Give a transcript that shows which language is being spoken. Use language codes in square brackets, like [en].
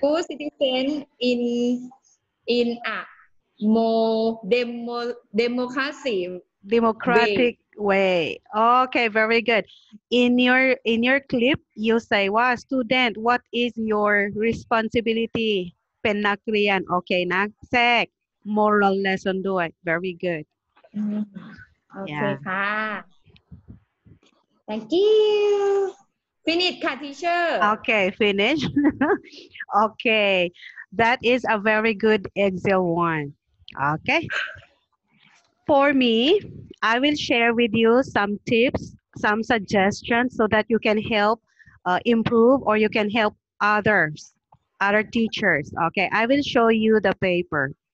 [en] two citizens in a more democratic way. Okay, very good. In your clip, you say, "Wow, student, what is your responsibility?" [th] เป็นนักเรียน okay นะแทรก [en] moral lesson [th] ด้วย [en] very good [th] โอเคค่ะ [en] thank you finish ค่ะ teacher okay finish okay that is a very good excellent one okay for me I will share with you some tips some suggestions so that you can help improve or you can help others other teachers okay I will show you the paper